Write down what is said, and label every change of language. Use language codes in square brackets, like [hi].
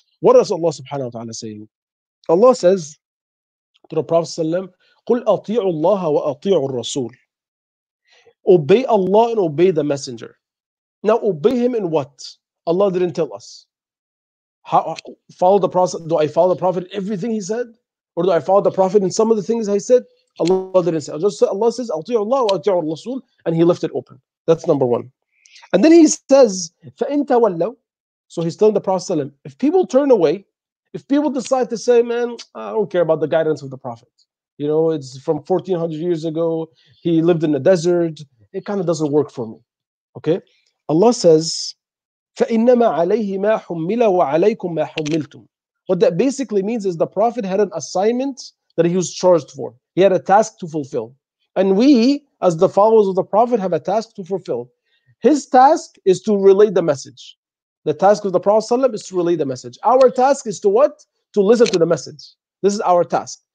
[en] What does Allah subhanahu wa ta'ala saying? Allah says to the Prophet sallam, [ar] قُلْ أَطِيعُ اللَّهَ وَأَطِيعُ الرَّسُولِ. [en] Obey Allah and obey the messenger. Now obey him in what? Allah didn't tell us. How, follow the Prophet. Do I follow the Prophet in everything he said? Or do I follow the Prophet in some of the things I said? Allah didn't say. Just Allah says, [ar] أَطِيعُ اللَّهَ وَأَطِيعُ الرَّسُولِ. [en] And he left it open. That's number one. And then he says, [ar] فَإِن تَوَلَّوْا. [en] So he's telling the Prophet, if people turn away, if people decide to say, man, I don't care about the guidance of the Prophet. You know, it's from 1400 years ago. He lived in the desert. It kind of doesn't work for me. Okay? Allah says, [ar] فَإِنَّمَا عَلَيْهِ مَا حُمِّلَ وَعَلَيْكُمْ مَا حُمِّلْتُمْ. [en] What that basically means is the Prophet had an assignment that he was charged for. He had a task to fulfill. And we, as the followers of the Prophet, have a task to fulfill. His task is to relay the message. The task of the Prophet ﷺ is to relay the message. Our task is to what? To listen to the message. This is our task.